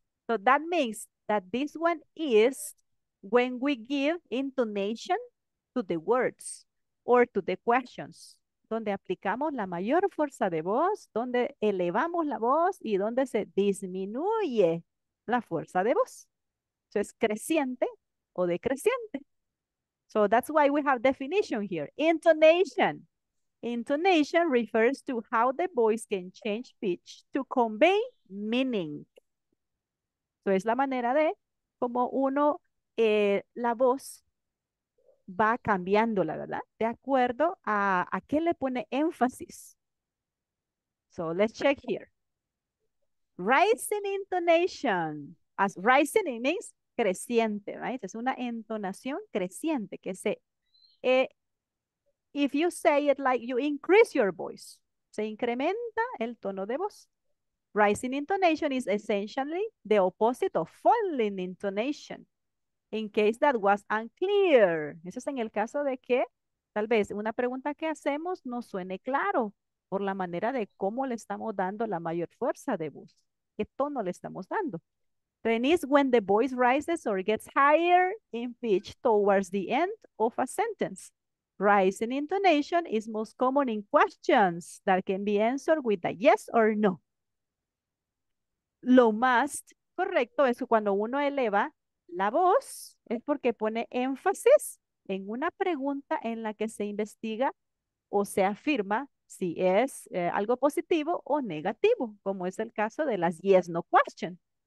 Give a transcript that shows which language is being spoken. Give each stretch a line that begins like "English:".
English: So that means that this one is when we give intonation to the words or to the questions,
Spanish: donde aplicamos la mayor fuerza de voz, donde elevamos la voz y donde se disminuye la fuerza de voz.
English: So it's
Spanish: creciente o decreciente.
English: So that's why we have definition here. Intonation. Intonation refers to how the voice can change pitch to convey meaning.
Spanish: So es la manera de como uno, la voz va cambiándola, ¿verdad? De acuerdo a qué le pone énfasis.
English: So let's check here. Rising intonation. As rising means creciente, right?
Spanish: Es una entonación creciente que se,
English: if you say it like you increase your voice,
Spanish: se incrementa el tono de voz.
English: Rising intonation is essentially the opposite of falling intonation. In case that was unclear.
Spanish: Eso es en el caso de que tal vez una pregunta que hacemos no suene claro por la manera de cómo le estamos dando la mayor fuerza de voz. ¿Qué tono le estamos dando?
English: Then is when the voice rises or gets higher in pitch towards the end of a sentence. Rising intonation is most common in questions that can be answered with a yes or no.
Spanish: Lo más correcto es que cuando uno eleva la voz es porque pone énfasis en una pregunta en la que se investiga o se afirma si es algo positivo o negativo, como es el caso de las yes no questions.